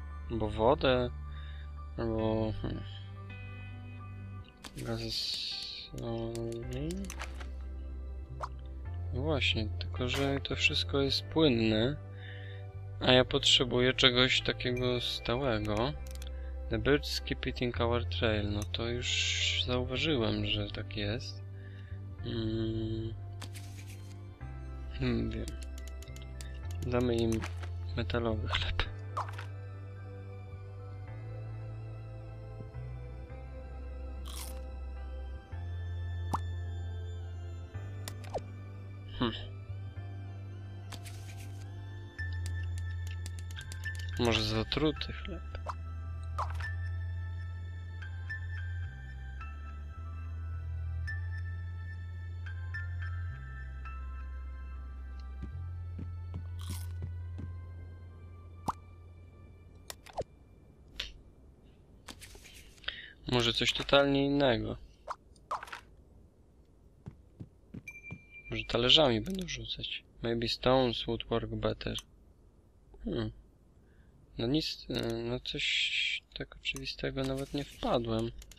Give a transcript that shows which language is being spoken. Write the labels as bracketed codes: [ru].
[pl] Albo wodę, albo... gaz soli. Właśnie, tylko że to wszystko jest płynne, a ja potrzebuję czegoś takiego stałego. [en] The birds keep eating our trail. [pl] No to już zauważyłem, że tak jest. Wiem. Damy im metalowy chleb. Może zatruty chleb. Może coś totalnie innego. Może talerzami będą rzucać. [en] Maybe stones would work better. [pl] No nic, no coś tak oczywistego nawet nie wpadłem.